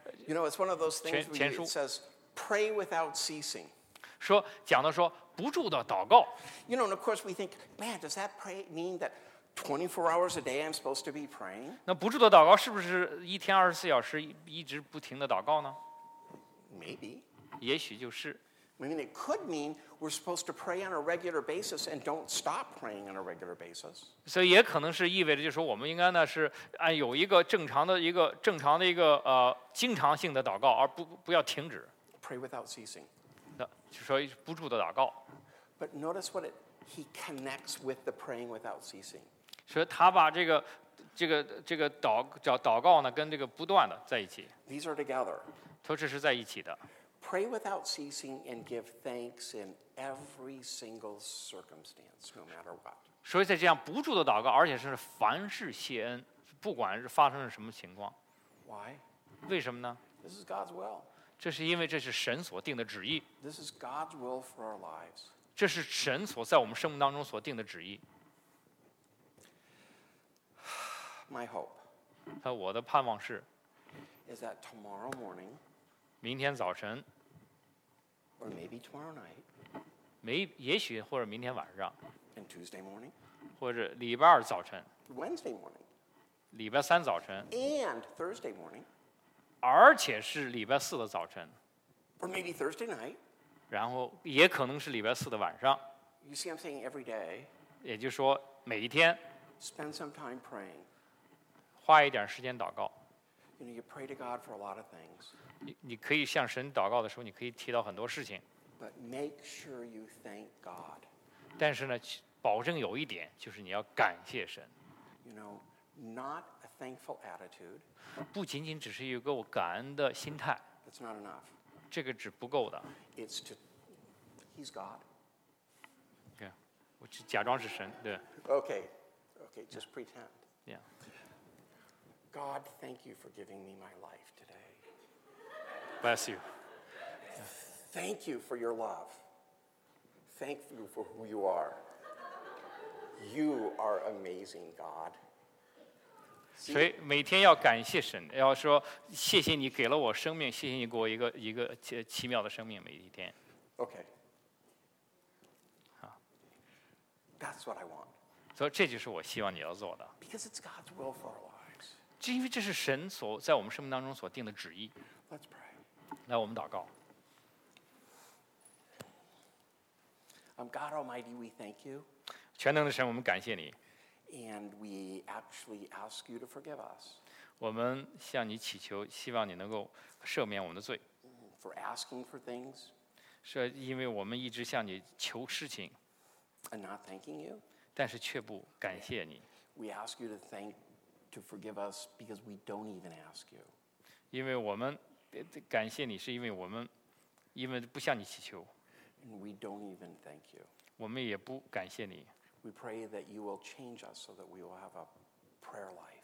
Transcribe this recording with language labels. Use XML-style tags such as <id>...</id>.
<en>You know, it's one of those things where it says, "Pray without ceasing."</en> <zh>说讲的说不住的祷告。</zh> <en>You know, and of course we think, man, does that pray mean that 24 hours a day I'm supposed to be praying?</en> <zh>那不住的祷告是不是一天二十四小时一直不停的祷告呢</zh> <en>？Maybe.</en> <zh>也许就是。</zh> <en>I mean, it could mean we're supposed to pray on a regular basis and don't stop praying on a regular basis.</en> <zh>所以也可能是意味着，就是说我们应该呢是按有一个正常的一个经常性的祷告，而不要停止。</zh> <en>Pray without ceasing.</en> <zh>那就说不住的祷告。</zh> <en>But notice what he connects with the praying without ceasing.</en> <zh>所以他把这个祷告呢跟这个不断的在一起。</zh> <en>These are together.</en> <zh>都这是在一起的。</zh> <en>Pray without ceasing and give thanks in every single circumstance, no matter what.</en> <zh>所以在这样不住的祷告，而且是凡事谢恩，不管是发生了什么情况。</zh> <en>Why?</en> <zh>为什么呢</zh> <en>？This is God's will.</en> <zh>这是因为这是神所定的旨意。</zh> <en>This is God's will for our lives.</en> <zh>这是神所在我们生命当中所定的旨意。</zh> <en>My hope.</en> <zh>那我的盼望是。</zh> <en>Is that tomorrow morning?</en> <zh>明天早晨</zh> <en>or maybe tomorrow night,</en> <zh>也许或者明天晚上</zh> <en>and Tuesday morning,</en> <zh>或者礼拜二早晨</zh> <en>Wednesday morning,</en> <zh>礼拜三早晨</zh> <en>and Thursday morning,</en> <zh>而且是礼拜四的早晨</zh> <en>or maybe Thursday night,</en> <zh>然后也可能是礼拜四的晚上</zh> <en>You see, I'm saying every day,</en> <zh>也就是说每一天</zh> <en>spend some time praying,</en> <zh>花一点时间祷告</zh> <en>You know, you pray to God for a lot of things.</en> <zh>你可以向神祷告的时候，你可以提到很多事情。</zh> <en>But make sure you thank God.</en> <zh>但是呢，保证有一点，就是你要感谢神。</zh> <en>You know, not a thankful attitude.</en> <zh>不仅仅只是有个我感恩的心态。</zh> <en>That's not enough.</en> <zh>这个只不够的。</zh> <en>It's to, He's God. Okay,</en> <zh>我只假装是神，对。</zh> <en>Okay, okay, just pretend. Yeah. God, thank you for giving me my life today. Bless you. Thank you for your love. Thank you for who you are. You are amazing, God.</en> <zh>所以每天要感谢神，要说谢谢你给了我生命，谢谢你给我一个奇妙的生命，每一天。</zh> <en>Okay. That's what I want.</en> <zh>所以这就是我希望你要做的。</zh> <en>Because it's God's will for our lives.</en> <zh>这因为这是神所在我们生命当中所定的旨意。</zh> <en>Let's pray.</en> <zh>来，我们祷告。</zh> <en>God Almighty, we thank you.</en> <zh>全能的神，我们感谢你。</zh> <en>And we actually ask you to forgive us.</en> <zh>我们向你祈求，希望你能够赦免我们的罪。</zh> <en>For asking for things.</en> <zh>是因为我们一直向你求事情。</zh> <en>And not thanking you.</en> <zh>但是却不感谢你。</zh> <en>We ask you to forgive us because we don't even ask you.</en> <zh>因为我们感谢你，是因为我们因为不向你祈求。</zh> <en>And we don't even thank you.</en> <zh>我们也不感谢你。</zh> <en>We pray that you will change us so that we will have a prayer life.</en>